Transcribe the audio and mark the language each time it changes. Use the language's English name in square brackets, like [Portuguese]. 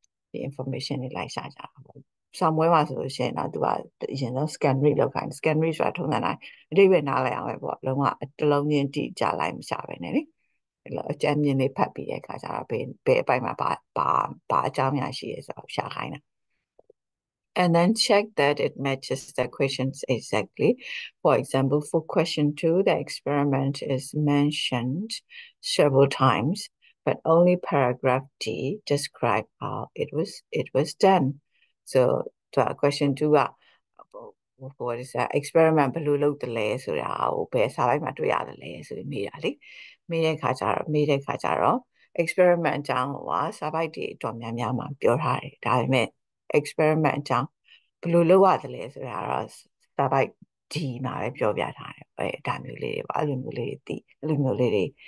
[Burmese] ဒီ information တွေလိုက်ရှာကြတာပေါ့စာမွေးမှာဆိုလို့ရှိရင်တော့သူကအရင်ဆုံး scan read လုပ်ခိုင်း scan read ဆိုတာထုံးစံတိုင်းအတိအဝယ်နားလိုက်အောင်ပဲပေါ့လုံးဝတစ်လုံးချင်းတိကျလိုက်မရှာပဲနဲ့လေအဲ့လိုအကြံဉာဏ်လေးဖတ်ပြီးတဲ့အခါကျတော့ဘယ်အပိုင်းမှာဘာအကြောင်းများရှိရဲ့ဆိုတော့ရှာခိုင်းတာ [English] And then check that it matches the questions exactly. For example, for question two, the experiment is mentioned several times, but only paragraph D describe how it was done. So to our question two, what is that experiment? [Burmese] ဘယ်လိုလုပ်တယ်လဲဆိုတာကိုဘယ်စာပိုက်မှာတွေ့ရတယ်လဲဆိုပြီးမေးတာလေ။မေးတဲ့အခါကျတော့experiment အကြောင်းကစာပိုက်တွေအတော်များများမှာပြောထားတယ်။ဒါပေမဲ့ experiment အကြောင်းဘယ်လိုလုပ်ရသလဲဆိုတာတော့ subject D မှာပဲပြောပြထားတယ်။အဲဒါမျိုးလေးတွေပါအဲ့လိုမျိုးလေးသိအဲ့လိုမျိုးလေးတွေ